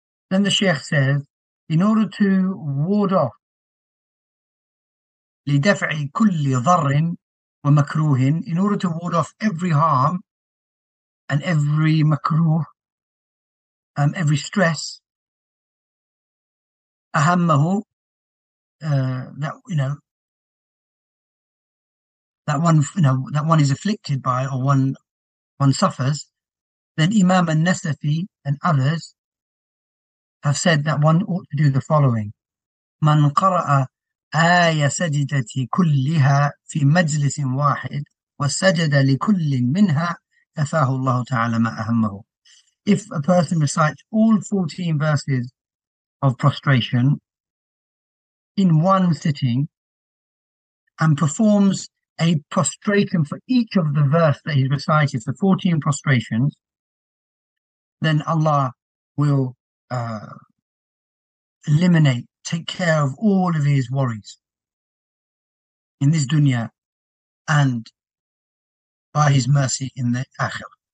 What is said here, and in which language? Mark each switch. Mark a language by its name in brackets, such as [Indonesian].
[English] Then the Sheikh says, in order to ward off [Arabic] لِدَفْعِ كُلِّ ضَرٍ وَمَكْرُوهٍ, [English] in order to ward off every harm and every makruh, every stress, [Arabic] أَهَمَّهُ, [English] that one is afflicted by, or one suffers, then Imam al-Nasafi and others have said that one ought to do the following. [Arabic] مَنْ قَرَأَ آية سجدتي كلها في مجلس واحد وسجد لكل منها كفاه الله تعالى ما أهمه. [English] If a person recites all 14 verses of prostration in one sitting and performs a prostration for each of the verse that he's recited, the 14 prostrations, then Allah will eliminate, take care of all of his worries in this dunya and by his mercy in the akhirah.